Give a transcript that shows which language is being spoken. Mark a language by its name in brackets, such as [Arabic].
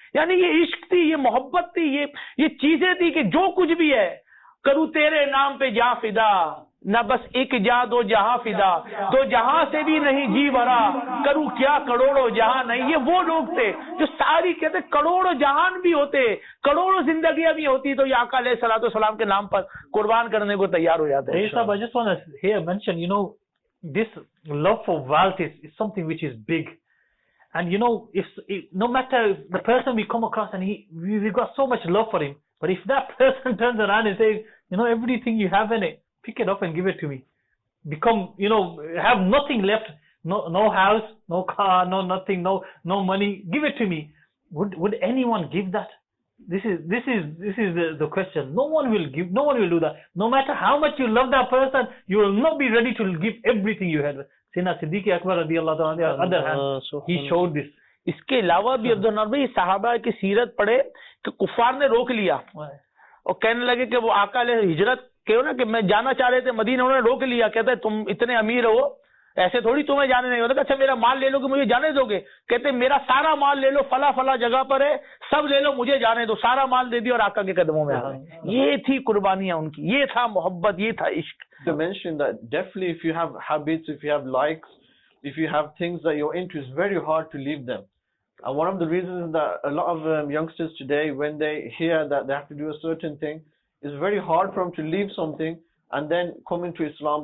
[Urdu] یعنی یہ عشق تھی, یہ محبت تھی, یہ چیزیں تھی کہ جو کچھ بھی ہے کروں تیرے نام پہ جا فدا, نہ بس ایک جا دو جہاں فدا, تو جہاں سے بھی نہیں جی بھرا, کروں کیا کروڑوں جہاں نہیں. یہ وہ لوگ تھے جو ساری کہتے کروڑوں جہان بھی ہوتے, کروڑوں زندگیاں بھی ہوتی تو یہ آقا علیہ الصلوۃ والسلام کے نام پر قربان کرنے کو تیار ہو جاتے ہیں. [English] This love for wealth is something which is big, and you know, if no matter if the person we come across and we've got so much love for him, but if that person turns around and says, you know, everything you have in it, pick it up and give it to me, become, you know, have nothing left, no house, no car, no nothing, no money, give it to me, would anyone give that? This is the question. No one will do that. No matter how much you love that person, you will not be ready to give everything you had. Sayyidina Siddiqui Akbar radiallahu anhu, on the other hand, he showed this. [Urdu] اس کے علاوہ بھی عبد النور بھائی صحابہ کی سیرت پڑھے کہ کفار نے روک لیا اور کہنے لگے کہ وہ آقا علیہ ہجرت کہو نا کہ میں جانا چاہ رہے تھے مدینہ, انہوں نے روک لیا, کہتا ہے تم اتنے امیر ہو ایسے تھوڑی تمہیں جانے نہیں ہوتا, اچھا میرا مال لے لو کہ مجھے جانے دو گے, کہتے میرا سارا مال لے لو فلا فلا جگہ پر ہے سب لے لو مجھے جانے دو, سارا مال دے دی اور آقا کے قدموں میں آ گئے. یہ تھی قربانیاں ان کی, یہ تھا محبت, یہ تھا عشق. [English] To mention that definitely if you have habits, if you have likes, if you have things that you're into, it's very hard to leave them. And one of the reasons that a lot of youngsters today, when they hear that they have to do a certain thing, it's very hard for them to leave something and then come into Islam.